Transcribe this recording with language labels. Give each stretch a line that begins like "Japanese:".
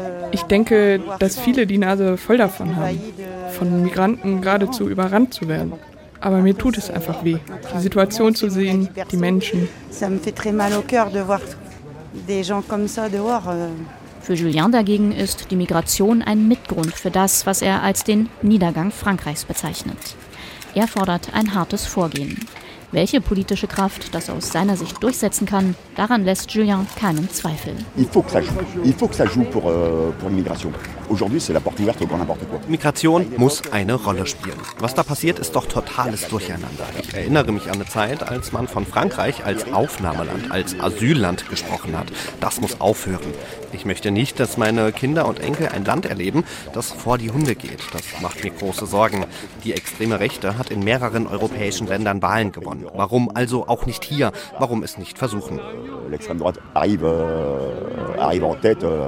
German: Ich denke, dass viele die Nase voll davon haben, von Migranten geradezu überrannt zu werden. Aber mir tut es einfach weh, die Situation zu sehen, die Menschen.
French: Ça me fait très mal au cœur de voir des gens comme ça dehors.
German: Für Julien dagegen ist die Migration ein Mitgrund für das, was er als den Niedergang Frankreichs bezeichnet. Er fordert ein hartes Vorgehen. Welche politische Kraft das aus seiner Sicht durchsetzen kann, daran lässt Julien keinen Zweifel. Migration muss eine Rolle spielen. Was da passiert, ist doch totales Durcheinander. Ich erinnere mich an eine Zeit, als man von Frankreich als Aufnahmeland, als Asylland gesprochen hat. Das muss aufhören. Ich möchte nicht, dass meine Kinder und Enkel ein Land erleben, das vor die Hunde geht. Das macht mir große Sorgen. Die extreme Rechte hat in mehreren europäischen Ländern Wahlen gewonnen. Warum also auch nicht hier? Warum es nicht versuchen?
French: L'extrême droite arrive en tête.